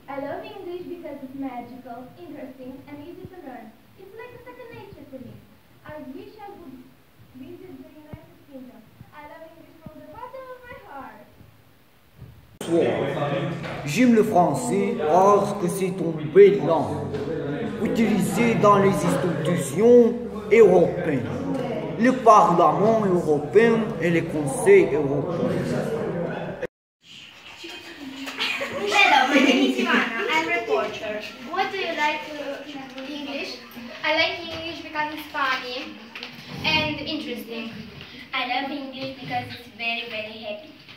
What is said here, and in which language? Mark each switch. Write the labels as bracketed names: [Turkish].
[English] I love English because it's magical, interesting, and easy to learn. It's like a second nature to me. I wish I would visit the United Kingdom. I love English from the bottom of my heart. [French] J'aime le français parce que c'est une belle langue utilisée dans les institutions européennes, le Parlement européen et le Conseil européen. [English] Hello, my name is Ivana, I'm a reporter. What do you like English? I like English because it's funny and interesting. I love English because it's very, very happy.